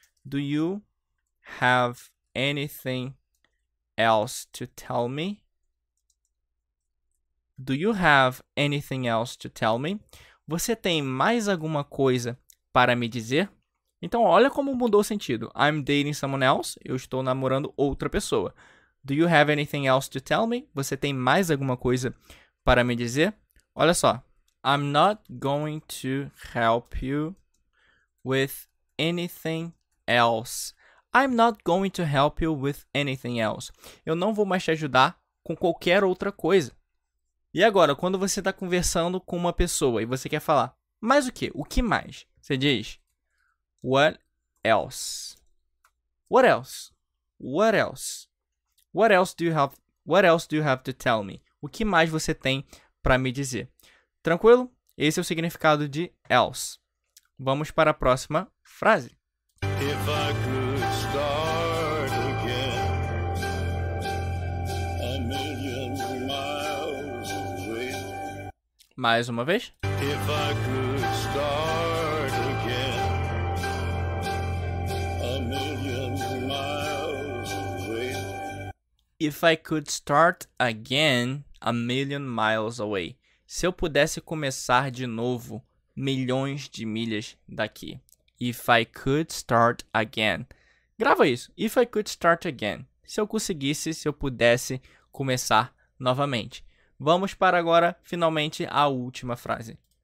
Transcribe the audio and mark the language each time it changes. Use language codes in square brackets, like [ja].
[en] Do you have anything else to tell me? Do you have anything else to tell me? [pt] Você tem mais alguma coisa para me dizer? Então, olha como mudou o sentido. [en] I'm dating someone else. [pt] Eu estou namorando outra pessoa. Do you have anything else to tell me? Você tem mais alguma coisa para me dizer? Olha só. [en] I'm not going to help you with anything else. I'm not going to help you with anything else. [pt] Eu não vou mais te ajudar com qualquer outra coisa. E agora, quando você está conversando com uma pessoa e você quer falar, mais o quê? O que mais? Você diz, [en] what else? What else? What else? What else do you have? What else do you have to tell me? [pt] O que mais você tem para me dizer? Tranquilo? Esse é o significado de else. Vamos para a próxima frase. [en] If I could start again, a million miles away. [pt] Mais uma vez. [en] If I could start again, a million miles away. If I could start again, a million miles away. [pt] Se eu pudesse começar de novo, milhões de milhas daqui. [en] If I could start again. [pt] Grava isso. [en] If I could start again. [pt] Se eu conseguisse, se eu pudesse começar novamente. Vamos para agora, finalmente, a última frase.